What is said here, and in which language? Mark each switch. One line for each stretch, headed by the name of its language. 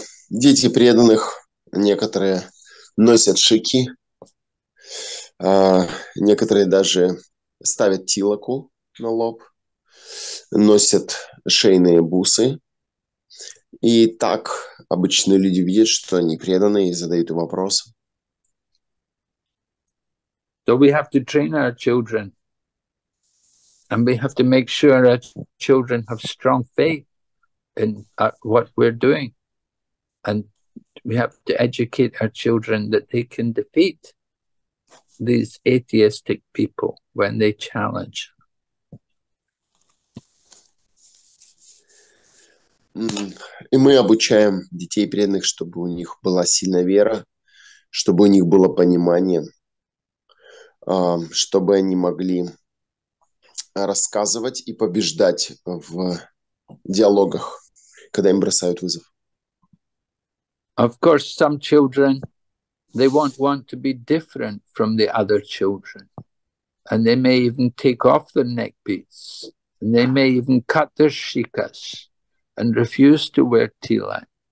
Russian: Дети преданных некоторые носят шики, некоторые даже ставят тилаку на лоб, носят шейные бусы, и так обычные люди видят, что они преданные, и задают им вопрос.
English: So we have to train our children, and we have to make sure our children have strong faith in what we're doing. And we have to educate our children that they can defeat these atheistic people when they challenge.
Russian: И мы обучаем детей преданных, чтобы у них была сильная вера, чтобы у них было понимание, чтобы они могли рассказывать и побеждать в диалогах, когда им бросают вызов.
English: Of course, some children, they won't want to be different from the other children. And they may even take off their neck beads. And they may even cut their shikas and refuse to wear tilak.